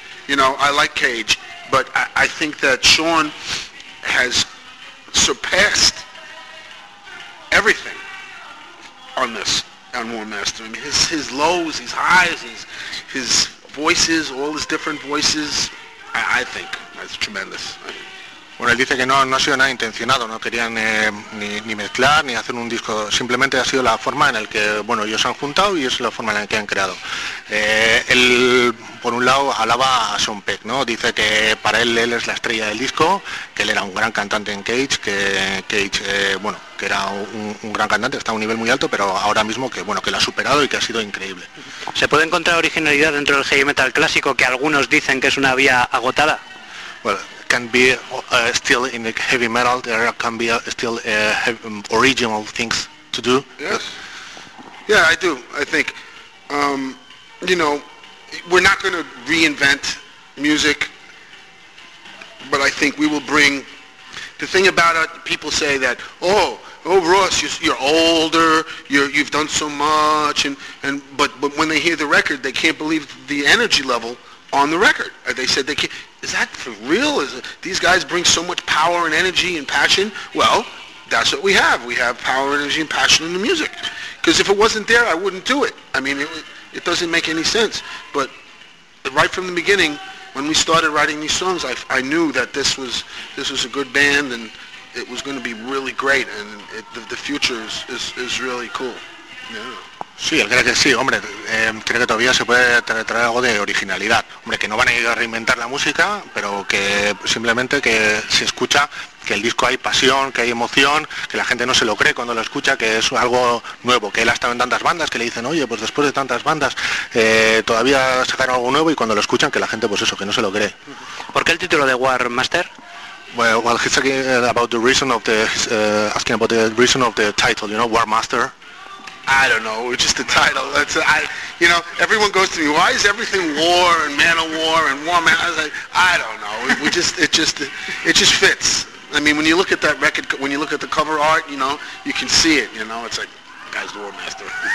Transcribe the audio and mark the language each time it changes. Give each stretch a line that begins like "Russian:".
English: You know, I like Cage. But I think that Sean has surpassed everything on this, on War Master. I mean, his lows, his highs, his voices, all his different voices, I think that's tremendous.
Spanish: Bueno, él dice que no ha sido nada intencionado, no querían ni mezclar ni hacer un disco, simplemente ha sido la forma en la que, bueno, ellos se han juntado y es la forma en la que han creado. Él, por un lado, alaba a Sean Peck, ¿no? Dice que para él es la estrella del disco, que él era un gran cantante en Cage, que Cage, bueno, que era un gran cantante, está a un nivel muy alto, pero ahora mismo que, bueno, que lo ha superado y que ha sido increíble. ¿Se puede encontrar originalidad dentro del heavy metal clásico, que algunos dicen que es una vía agotada?
English: Bueno, can be still in the heavy metal, there can be still original things to do. Yes. Yeah, I do. I think, you know, we're not going to reinvent music, but I think we will bring, the thing about it, people say that, oh, Ross, you're older, you've done so much, but when they hear the record, they can't believe the energy level on the record. They said they can't. Is that for real? These guys bring so much power and energy and passion? Well, that's what we have. We have power, energy, and passion in the music. Because if it wasn't there, I wouldn't do it. I mean, it doesn't make any sense. But right from the beginning, when we started writing these songs, I knew that this was a good band, and it was going to be really great, and the future is really cool. Yeah.
Spanish: Sí, él cree que sí, hombre, cree que todavía se puede traer algo de originalidad. Hombre, que no van a ir a reinventar la música, pero que simplemente que se escucha que el disco hay pasión, que hay emoción, que la gente no se lo cree cuando lo escucha, que es algo nuevo, que él ha estado en tantas bandas que le dicen, oye, pues después de tantas bandas todavía sacaron algo nuevo, y cuando lo escuchan que la gente, pues eso, que no se lo cree. ¿Por qué el título de War Master?
English: Well, he's talking about the reason of the, asking about the reason of the title, you know, War Master. I don't know, it's just the title. You know, everyone goes to me, why is everything war and man of war and war man? I was like, I don't know. It just fits. I mean, when you look at that record, when you look at the cover art, you know, you can see it, you know, it's like, guy's the War Master.